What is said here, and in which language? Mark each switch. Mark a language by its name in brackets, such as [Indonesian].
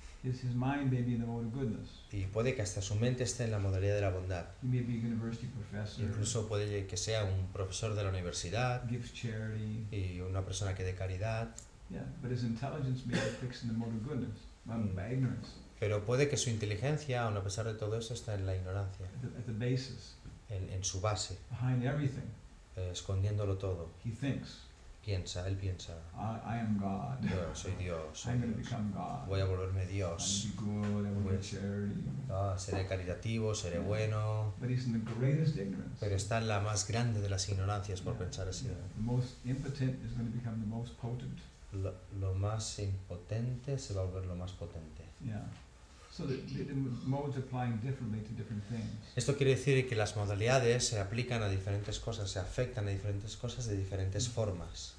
[English] His mind may be in the mode of goodness. [Spanish] Y puede que hasta su mente esté en la modalidad de la bondad. [English] He may be a university professor. [Spanish] Incluso puede que sea un profesor de la universidad. [English] Gives charity. [Spanish] Y una persona que dé caridad. [English] Yeah, but his intelligence may be fixed in the mode of goodness, not by ignorance. [Spanish] Pero puede que su inteligencia, aun a pesar de todo eso, esté en la ignorancia. [English] At the basis. [Spanish] En su base. [English] Behind everything. [Spanish] Escondiéndolo todo. [English] He thinks. [Spanish] Piensa, él piensa. [English] I am God. [Spanish] Yo soy Dios. [English] I'm going to become God. [Spanish] Voy a volverme Dios. [English] I'm good, I'm going to be charity. [Spanish] Seré caritativo, seré bueno. [English] But he's in the greatest ignorance. [Spanish] Pero está en la más grande de las ignorancias por pensar así. [English] The most impotent is going to become the most potent. [Spanish] Lo más impotente se va a volver lo más potente. [English] So the modes applying differently to different things. [Spanish] Esto quiere decir que las modalidades se aplican a diferentes cosas, se afectan a diferentes cosas de diferentes formas.